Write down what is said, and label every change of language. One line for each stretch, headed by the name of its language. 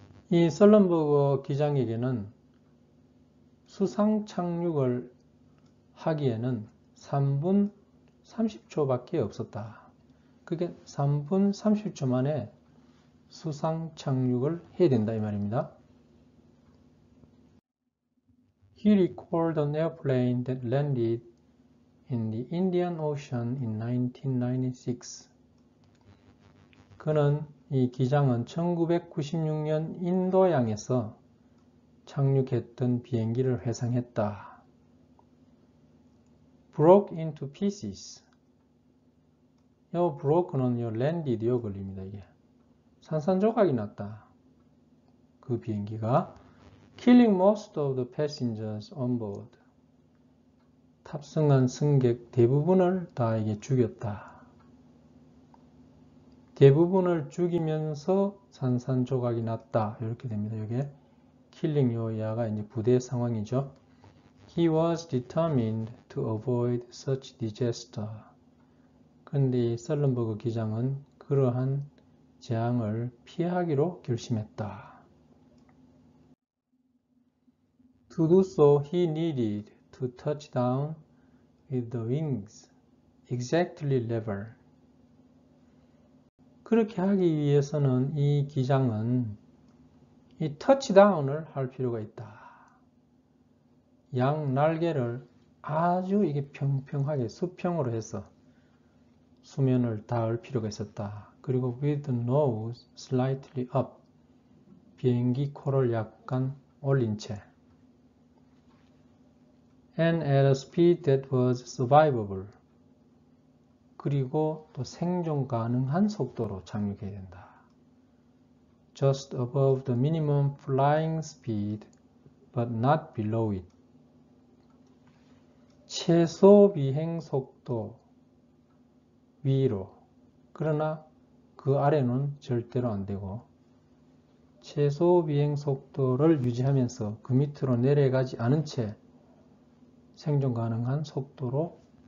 Korean: 이 설렌버그 기장에게는 수상 착륙을 하기에는 3분 30초밖에 없었다. 그게 3분 30초 만에 수상 착륙을 해야 된다 이 말입니다.
English: He recalled an airplane that landed in the Indian Ocean in 1996.
Korean: 그는 이 기장은 1996년 인도양에서 착륙했던 비행기를 회상했다.
English: Broke into pieces.
Korean: 요 broke는 요 landed 요 걸립니다. 이게 산산조각이 났다. 그 비행기가
English: killing most of the passengers on board.
Korean: 탑승한 승객 대부분을 다 이게 죽였다. 대부분을 죽이면서 산산조각이 났다. 이렇게 됩니다. 이게 killing 요 이하가 이제 부대 상황이죠.
English: He was determined to avoid such disaster.
Korean: 근데 이 설렌버그 기장은 그러한 재앙을 피하기로 결심했다.
English: To do so, he needed to touch down with the wings exactly level.
Korean: 그렇게 하기 위해서는 이 기장은 이 touchdown을 할 필요가 있다. 양 날개를 아주 이게 평평하게 수평으로 해서 수면을 닿을 필요가 있었다. 그리고
English: with the nose slightly up,
Korean: 비행기 코를 약간 올린 채.
English: And at a speed that was survivable.
Korean: 그리고 또 생존 가능한 속도로 착륙해야 된다.
English: Just above the minimum flying speed, but not below it.
Korean: 최소 비행 속도 위로, 그러나 그 아래는 절대로 안 되고 최소 비행 속도를 유지하면서 그 밑으로 내려가지 않은 채 생존 가능한 속도로